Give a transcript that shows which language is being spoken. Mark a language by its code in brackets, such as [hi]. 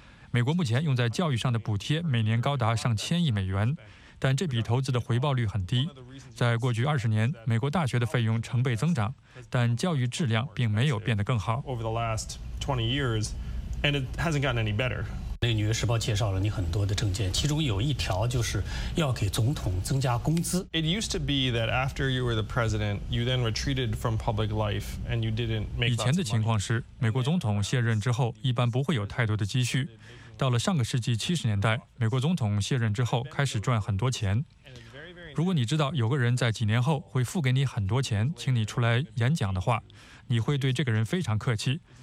[zh] 美国目前用在教育上的补贴每年高达1000亿美元，但这笔投资的回报率很低。在过去20年，美国大学的费用成倍增长，但教育质量并没有变得更好。 [en] And it hasn't gotten any better. [zh] 那《纽约时报》介绍了你很多的政见，其中有一条就是要给总统增加工资。 [en] It used to be that after you were the president, you then retreated from public life and you didn't make. [zh] 以前的情况是，美国总统卸任之后，一般不会有太多的积蓄。到了上个世纪70年代，美国总统卸任之后开始赚很多钱。如果你知道有个人在几年后会付给你很多钱，请你出来演讲的话，你会对这个人非常客气。